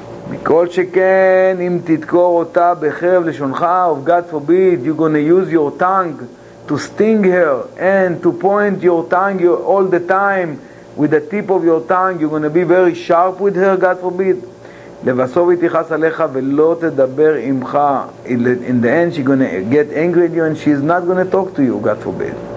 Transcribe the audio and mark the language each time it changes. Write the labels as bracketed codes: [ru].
[he] מכל שכן אם תדקור אותה בחרב לשונך, [en] of God forbid, you're going to use your tongue to sting her and to point your tongue all the time with the tip of your tongue, you're going to be very sharp with her, God forbid. [he] לבסוף היא תיחס עליך ולא תדבר עמך. [en] In the end, she's going to get angry at you and she's not going to talk to you, God forbid.